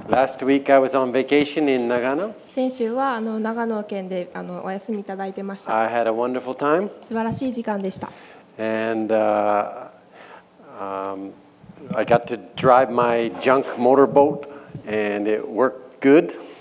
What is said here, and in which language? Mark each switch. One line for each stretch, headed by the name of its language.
English: Last week I was on vacation in Nagano.
Japanese: 先週は長野県でお休みいただいてました。
English: I had a wonderful time.
Japanese: 素晴らしい時間でした。
English: And I got to drive my junk motorboat, and it worked good.